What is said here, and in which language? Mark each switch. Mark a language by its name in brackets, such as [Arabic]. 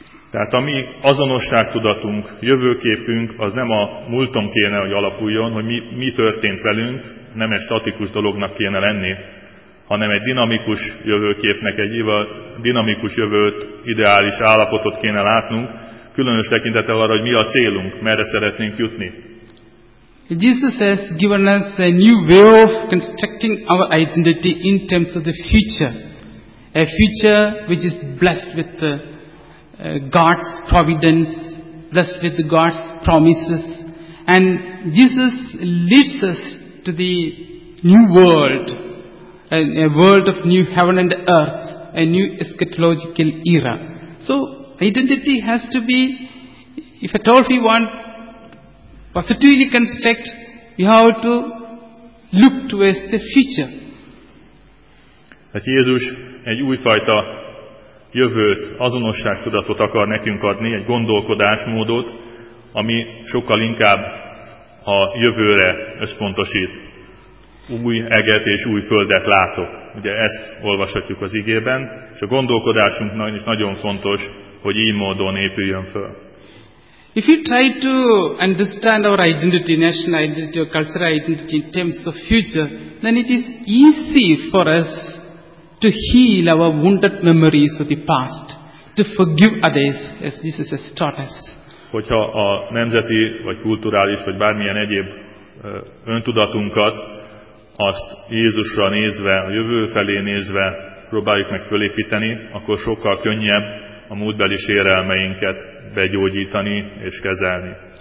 [Hungarian] Tehát a mi azonosságtudatunk, jövőképünk, az nem a múlton kéne, hogy alapuljon, hogy mi történt velünk, nem egy statikus dolognak kéne lenni, hanem egy dinamikus jövőképnek, egy dinamikus jövőt, ideális állapotot kéne látnunk, különös tekintettel arra, hogy mi a célunk, merre szeretnénk jutni. [English] Jesus has given us a new way of constructing our identity in terms of the future. A future which is blessed with God's providence, blessed with God's promises. And Jesus leads us to the new world, a world of new heaven and earth, a new eschatological era. So, identity has to be, if at all we want positively construct, we have to look towards the future. [Hungarian] Hát Jézus egy újfajta jövőt, azonosságtudatot akar nekünk adni, egy gondolkodásmódot, ami sokkal inkább a jövőre összpontosít. Új eget és új földet látok. Ugye ezt olvashatjuk az igében, és a gondolkodásunknak is nagyon fontos, hogy így módon épüljön föl. [English] If you try to understand our identity, national identity or cultural identity in terms of future, then it is easy for us to heal our wounded memories of the past, to forgive others, as Jesus has taught us. [Hungarian] Hogyha a nemzeti, vagy kulturális, vagy bármilyen egyéb öntudatunkat, azt Jézusra nézve, a jövő felé nézve próbáljuk meg fölépíteni, akkor sokkal könnyebb a múltbeli sérelmeinket begyógyítani és kezelni.